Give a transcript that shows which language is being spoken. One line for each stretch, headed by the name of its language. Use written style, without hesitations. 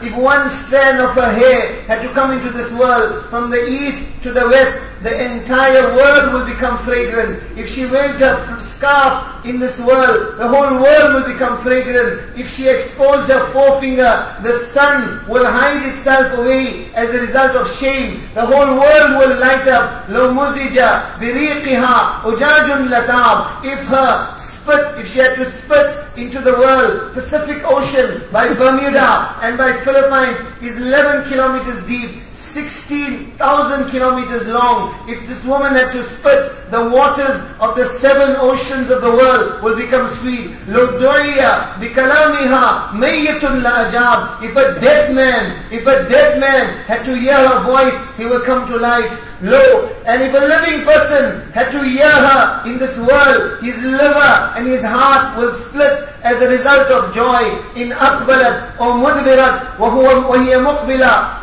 English: If one strand of her hair had to come into this world from the east to the west, the entire world will become fragrant. If she waved her scarf in this world, the whole world will become fragrant. If she exposed her forefinger, the sun will hide itself away as a result of shame. The whole world will light up.
Arabic: لو مزجة بريقها أجاج لطاب.
English: If she had to spit into the world, Pacific Ocean by Bermuda and by Philippines is 11 kilometers deep, 16,000 kilometers long. If this woman had to spit, the waters of the seven oceans of the world will become sweet.
Arabic: لو دعية بكلامها ميت لأجاب.
English: If a dead man had to hear her voice, he will come to life. Lo, and if a living person had to hear her in this world, his liver and his heart will split as a result of joy.
Arabic: In akbalat or mudbirat wa huwa wa hiya muqbila.